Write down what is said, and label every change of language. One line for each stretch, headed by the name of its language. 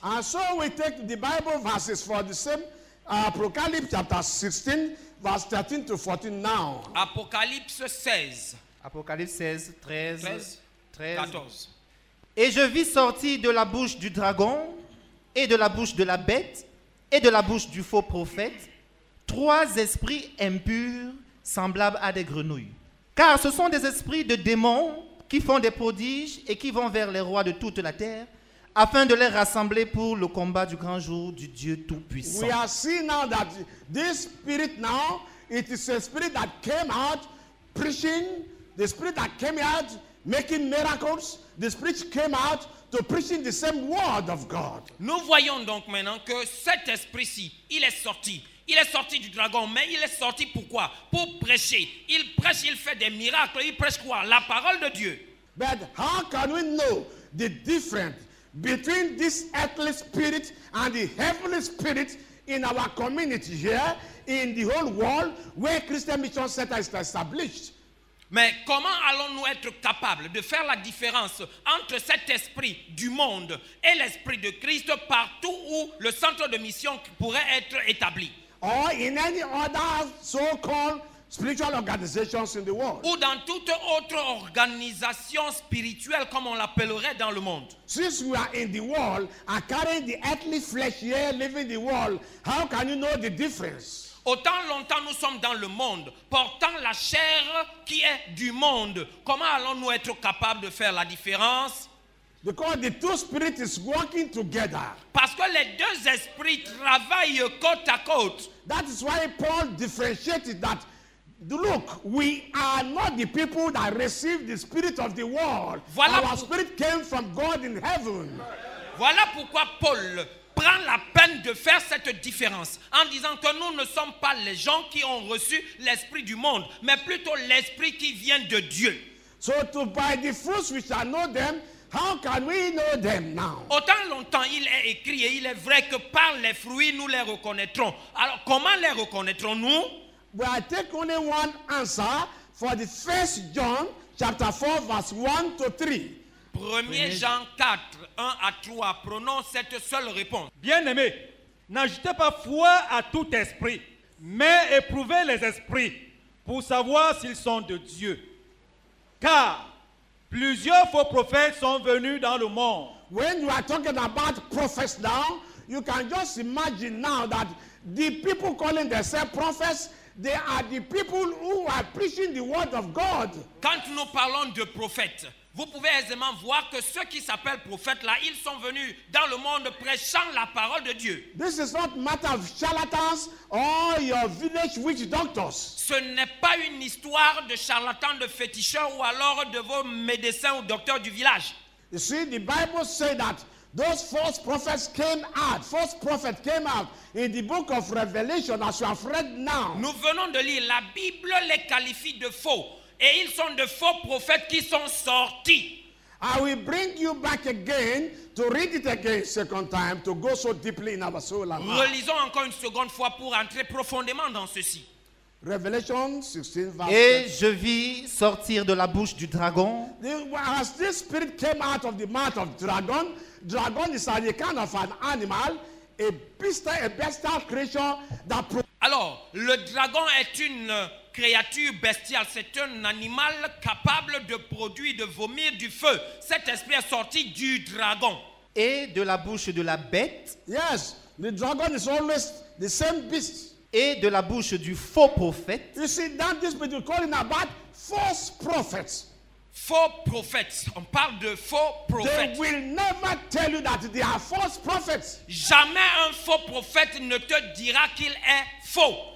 English: And so we take the Bible verses for the same, Apocalypse chapter 16, verse 13 to 14 now. Apocalypse 16, 13, 14.
French: Et je vis sortir de la bouche du dragon, et de la bouche de la bête, et de la bouche du faux prophète, trois esprits impurs, semblables à des grenouilles. Car ce sont des esprits de démons qui font des prodiges et qui vont vers les rois de toute la terre, afin de les rassembler pour le combat du grand jour du Dieu Tout-Puissant.
English: We are seeing now that this spirit now, it is a spirit that came out preaching, the spirit that came out making miracles, the spirit came out to preaching the same word of God.
French: Nous voyons donc maintenant que cet esprit-ci, il est sorti. Il est sorti du dragon, mais il est sorti pourquoi? Pour prêcher. Il prêche, il fait des miracles. Il prêche quoi? La parole de Dieu.
English: But how can we know the difference between this earthly spirit and the heavenly spirit in our community here, in the whole world, where Christian Mission Center is established?
French: Mais comment allons-nous être capables de faire la différence entre cet esprit du monde et l'esprit de Christ partout où le centre de mission pourrait être établi?
English: Or in any other so-called spiritual organizations in the world.
French: Ou dans toute autre organisation spirituelle, comme on l'appellerait dans le monde.
English: Since we are in the world and carrying the earthly flesh here, living the world, how can you know the difference?
French: Autant longtemps nous sommes dans le monde, portant la chair qui est du monde, comment allons-nous être capables de faire la différence?
English: Because the two spirits is working together.
French: Parce que les deux esprits travaillent côte à côte.
English: That is why Paul differentiated that. Look, we are not the people that receive the spirit of the world.
French: Voilà
English: our spirit came from God in heaven.
French: Voilà pourquoi Paul prend la peine de faire cette différence en disant que nous ne sommes pas les gens qui ont reçu l'esprit du monde, mais plutôt l'esprit qui vient de Dieu.
English: So to by the fruits we shall know them, how can we know them now?
French: Autant longtemps il est écrit et il est vrai que par les fruits nous les reconnaîtrons. Alors comment les reconnaîtrons-nous?
English: Well, I take only one answer for the first John chapter 4 verse 1 to 3.
French: 1 Jean 4, 1 à 3, prenons cette seule réponse. Bien-aimés, n'ajoutez pas foi à tout esprit, mais éprouvez les esprits pour savoir s'ils sont de Dieu. Car plusieurs faux prophètes sont venus dans le monde.
English: When you are talking about prophets now, you can just imagine now that the people calling themselves prophets, they are the people who are preaching the word of God.
French: Quand nous parlons de prophètes, vous pouvez aisément voir que ceux qui s'appellent prophètes là, ils sont venus dans le monde prêchant la parole de Dieu.
English: This is not a matter of charlatans or your village witch doctors.
French: Ce n'est pas une histoire de charlatans, de féticheurs ou alors de vos médecins ou docteurs du village.
English: You see, the Bible says that those false prophets came out. False prophets came out in the book of Revelation, as you have read now.
French: Nous venons de lire, la Bible les qualifie de faux. et ils sont de faux prophètes qui sont sortis.
English: I will bring you back again to read it again second time to go so deeply in our soul.
French: Relisons encore une seconde fois pour entrer profondément dans ceci.
English: Revelation 16 verse.
French: Et je vis sortir de la bouche du dragon.
English: As this spirit came out of the mouth of dragon, dragon is a kind of an animal, a bestial creature that.
French: Alors, le dragon est une créature bestiale, c'est un animal capable de produire, de vomir du feu. Cet esprit est sorti du dragon. Et de la bouche de la bête.
English: Yes, the dragon is always the same beast.
French: Et de la bouche du faux prophète.
English: You see, now this is what we're calling about false prophets.
French: Faux prophètes. On parle de faux prophètes.
English: They will never tell you that they are false prophets.
French: Jamais un faux prophète ne te dira qu'il est faux.